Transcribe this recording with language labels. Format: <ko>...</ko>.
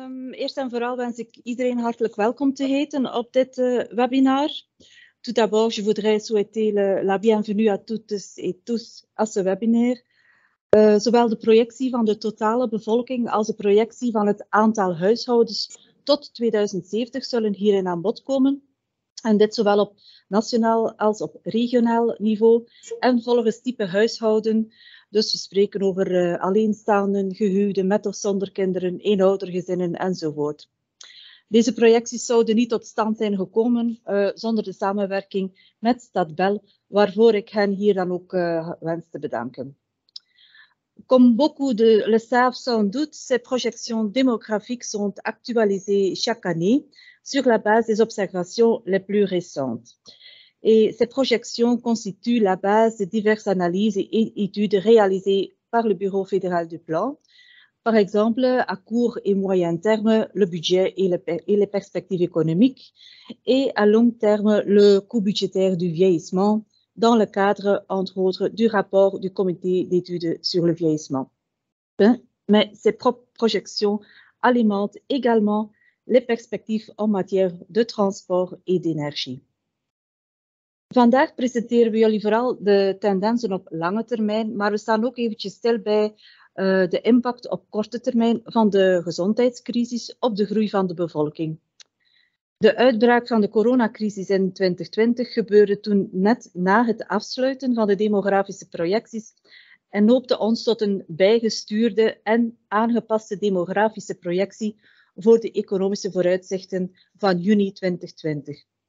<nl>Eerst en vooral wens ik iedereen hartelijk welkom te heten op dit webinar.</nl> <fr>Tout d'abord, je voudrais souhaiter la bienvenue à toutes et tous à ce webinaire.</fr> <nl>Zowel de projectie van de totale bevolking als de projectie van het aantal huishoudens tot 2070 zullen hierin aan bod komen. En dit zowel op nationaal als op regionaal niveau en volgens type huishouden. Dus we spreken over alleenstaanden, gehuwden met of zonder kinderen, eenoudergezinnen enzovoort. Deze projecties zouden niet tot stand zijn gekomen zonder de samenwerking met Stadbel, waarvoor ik hen hier dan ook wens te bedanken.</nl> <fr>Comme beaucoup de le savent sans doute, ces projections démographiques sont actualisées chaque année sur la base des observations les plus récentes. Et ces projections constituent la base de diverses analyses et études réalisées par le Bureau fédéral du plan, par exemple à court et moyen terme, le budget et les perspectives économiques, et à long terme, le coût budgétaire du vieillissement, dans le cadre, entre autres, du rapport du comité d'études sur le vieillissement. Mais ces projections alimentent également les perspectives en matière de transport et d'énergie.</fr> <nl>Vandaag presenteren we jullie vooral de tendensen op lange termijn, maar we staan ook eventjes stil bij de impact op korte termijn van de gezondheidscrisis op de groei van de bevolking. De uitbraak van de coronacrisis in 2020 gebeurde toen net na het afsluiten van de demografische projecties en noopte ons tot een bijgestuurde en aangepaste demografische projectie voor de economische vooruitzichten van juni 2020.</nl>